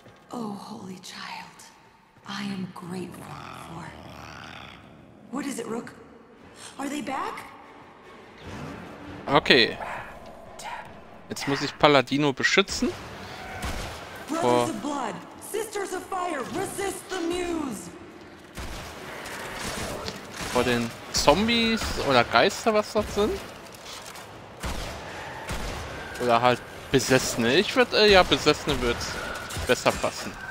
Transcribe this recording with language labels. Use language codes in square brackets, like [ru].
[en] Oh, holy child. I am grateful for. What is it, Rook? Are they back? Okay. [de] Jetzt muss ich Paladino beschützen. [en] Brothers of blood, sisters of fire, resist the muse. [de] Vor den Zombies oder Geister, was das sind. Oder halt Besessene. Ich würde, ja, Besessene wird besser passen.